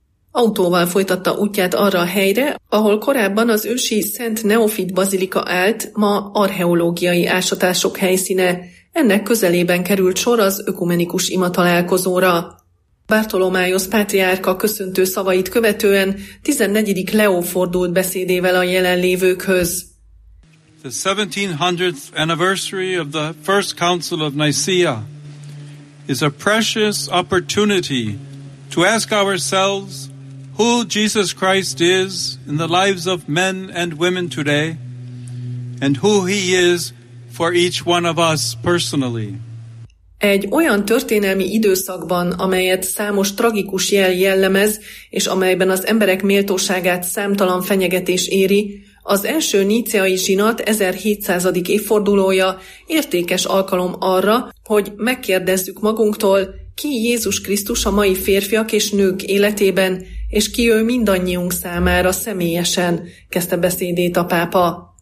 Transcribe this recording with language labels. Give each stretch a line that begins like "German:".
Hungarian: Autóval folytatta útját arra a helyre, ahol korábban az ősi Szent Neofit bazilika állt, ma archeológiai ásatások helyszíne. Ennek közelében került sor az ökumenikus ima találkozóra. Bartolomaiosz pátriárka köszöntő szavait követően 14. Leó fordult beszédével a jelenlévőkhöz.
English: The 1700th anniversary of the First Council of Nicaea is a precious opportunity to ask ourselves who Jesus Christ is in the lives of men and women today and who he is for each one of us personally.
Hungarian: Egy olyan történelmi időszakban, amelyet számos tragikus jel jellemez, és amelyben az emberek méltóságát számtalan fenyegetés éri, az első níceai zsinat 1700. évfordulója értékes alkalom arra, hogy megkérdezzük magunktól, ki Jézus Krisztus a mai férfiak és nők életében, és ki ő mindannyiunk számára személyesen, kezdte beszédét a pápa.